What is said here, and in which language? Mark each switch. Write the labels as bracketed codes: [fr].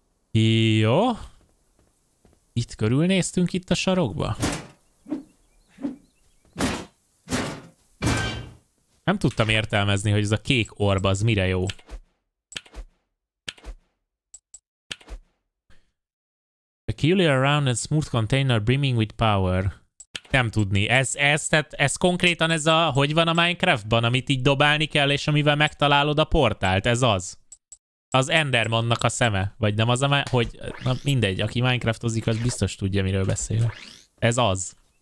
[hu] Jó. Itt körülnéztünk itt a sarokba? Nem tudtam értelmezni, hogy ez a kék orb az mire jó. [en] Peculiar round and smooth container brimming with power. [hu] Nem tudni. Ez konkrétan ez a, hogy van a Minecraftban, amit így dobálni kell, és amivel megtalálod a portált. Ez az. Az Endermannak a szeme. Vagy nem az a, hogy, na mindegy, aki Minecraftozik, az biztos tudja, miről beszél. Ez az.